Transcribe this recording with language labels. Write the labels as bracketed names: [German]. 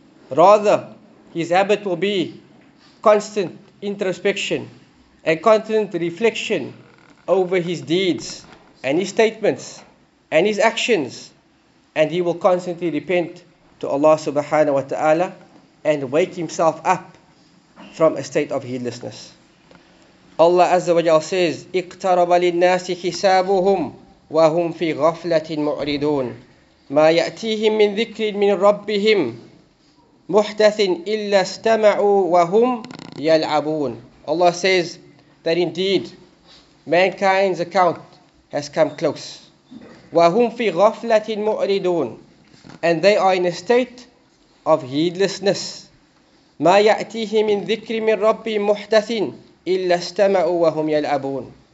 [English] Rather, his habit will be constant introspection and constant reflection over his deeds and his statements and his actions, and he will constantly repent to Allah subhanahu wa ta'ala and wake himself up from a state of heedlessness. [Arabic] Allah Azza wa Jalla says, اِقْتَرَبَ لِلنَّاسِ حِسَابُهُمْ وَهُمْ فِي غَفْلَةٍ مُعْرِدُونَ مَا يَأْتِيهِمْ مِنْ ذِكْرٍ مِنْ رَبِّهِمْ مُحْدَثٍ إِلَّا اسْتَمَعُوا وَهُمْ يَلْعَبُونَ. [English] Allah says that indeed mankind's account has come close. [Arabic] وَهُمْ فِي غَفْلَةٍ مُعْرِدُونَ, [English] and they are in a state of heedlessness. [Arabic] مَا يَأْتِيهِمْ مِنْ ذِكْرٍ مِنْ رَبِّهِمْ مُحْدَثٍ إِلَّا اسْتَمَعُوا وَهُمْ يَلْعَبُونَ.